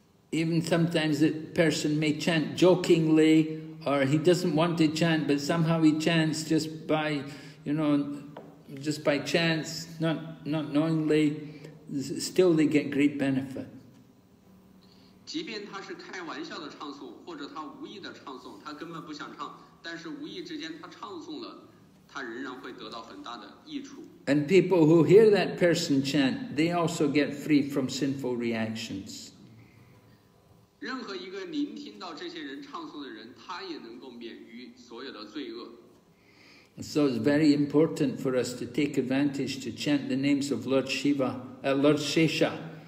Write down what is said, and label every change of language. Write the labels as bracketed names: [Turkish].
[English] Even sometimes a person may chant jokingly, or he doesn't want to chant, but somehow he chants just by, you know, just by chance, not knowingly, still they get great benefit. [Chinese] 即便他是开玩笑的唱诵，或者他无意的唱诵，他根本不想唱，但是无意之间他唱诵了，他仍然会得到很大的益处。 [English] And people who hear that person chant, they also get free from sinful reactions. [Chinese] 任何一个聆听到这些人唱诵的人，他也能够免于所有的罪恶。 [English] So it's very important for us to take advantage to chant the names of Lord Shiva, Lord Shesha.